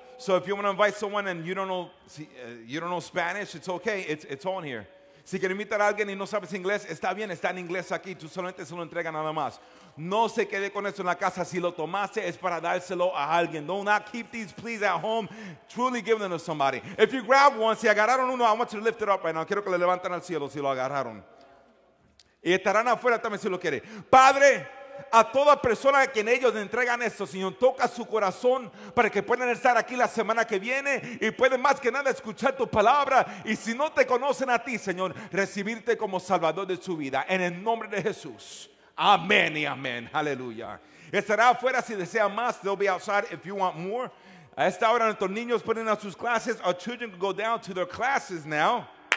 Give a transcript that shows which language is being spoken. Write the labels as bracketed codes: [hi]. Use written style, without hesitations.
[en] So if you want to invite someone and you don't know Spanish, it's okay. It's on here. [es] Si quieres invitar a alguien y no sabes inglés, está bien. Está en inglés aquí. Tú solamente se lo entrega nada más. No se quede con esto en la casa. Si lo tomaste, es para dárselo a alguien. [en] Do not keep these, please, at home. Truly give them to somebody. If you grab one, [es] si agarraron uno, [en] I want you to lift it up right now. [es] Quiero que le levanten al cielo si lo agarraron. Y estarán afuera también si lo quiere. Padre, a toda persona a quien ellos le entregan esto, Señor, toca su corazón para que puedan estar aquí la semana que viene y pueden más que nada escuchar tu palabra. Y si no te conocen a ti, Señor, recibirte como Salvador de su vida. En el nombre de Jesús. Amén y amén. Aleluya. Estará afuera si desea más. [en] They'll be outside if you want more. [es] A esta hora nuestros niños pueden ir a sus clases. [en] Our children can go down to their classes now.